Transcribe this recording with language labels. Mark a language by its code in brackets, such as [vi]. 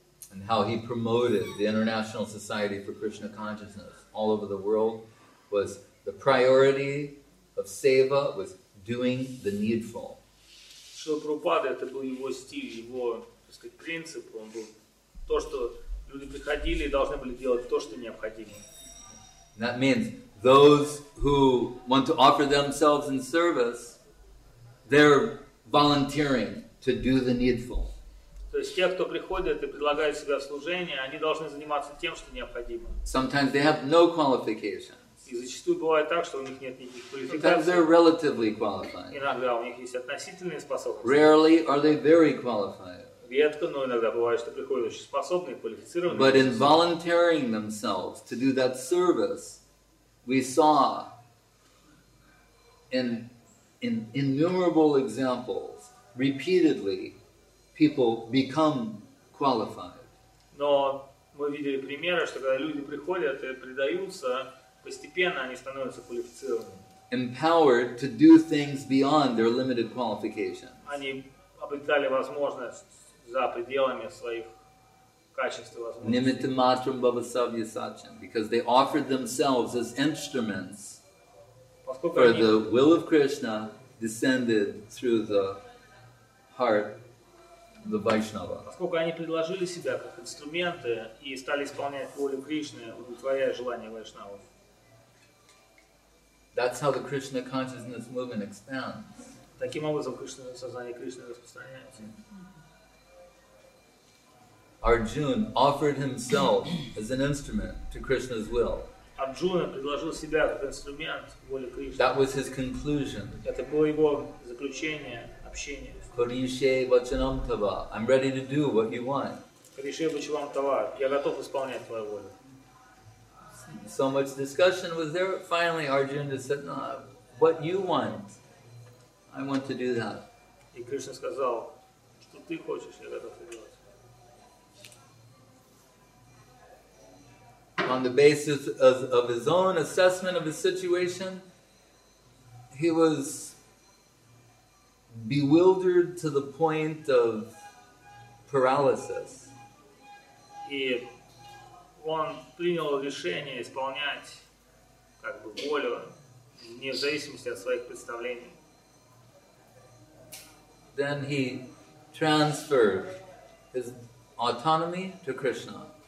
[en] And how he promoted the International Society for Krishna Consciousness all over the world was the priority of seva was doing the needful. [ru] Шрила Прабхупада, это был его стиль, его, так сказать, принцип. Он был то, что люди приходили и должны были делать то, что необходимо. [en] That means those who want to offer themselves in service, they're volunteering to do the needful. [ru] То есть те, кто приходят и предлагают себя в служение, они должны заниматься тем, что необходимо. [en] Sometimes they have no qualifications. [ru] И зачастую бывает так, что у них нет никаких квалификаций. [en] Sometimes they're relatively qualified. [ru] Иногда у них есть относительные способности. [en] Rarely are they very qualified. [ru] Редко, но иногда бывает, что приходят очень способные, квалифицированные. [en] But in volunteering themselves to do that service, we saw in innumerable examples, repeatedly, people become qualified. [ru] Но мы видели примеры, что когда люди приходят и предаются, постепенно они становятся квалифицированными. [en] Empowered to do things beyond their limited qualifications. [ru] Они обретали возможность за пределами своих качеств и возможностей. [sa] Nimittamatram bhavasavya sachan, [en] because they offered themselves as instruments for the will of Krishna descended through the heart. The Vaishnava. [ru] Поскольку они предложили себя как инструменты и стали исполнять волю Кришны, удовлетворяя желание Вайшнава. [en] That's how the Krishna consciousness movement expands. [ru] Таким образом, Кришна, сознание Кришны распространяется. [en] Arjun offered himself as an instrument to Krishna's will. [ru] Арджуна предложил себя как инструмент воли Кришны. [en] That was his conclusion. [ru] Это было его заключение общения. [sa] Kurishe vachanam tava. [en] I'm ready to do what you want. [sa] Kurishe vachanam tava. [ru] Я готов исполнять твою волю. [en] So much discussion was there. Finally, Arjuna just said, "No, what you want, I want to do that." [ru] И Кришна сказал, что ты хочешь, я готов делать. [en] On the basis of his own assessment of his situation, he was bewildered to the point of paralysis. [ru] И он принял решение исполнять как бы волю вне зависимости от своих представлений. [en] Then he transferred his autonomy to Krishna.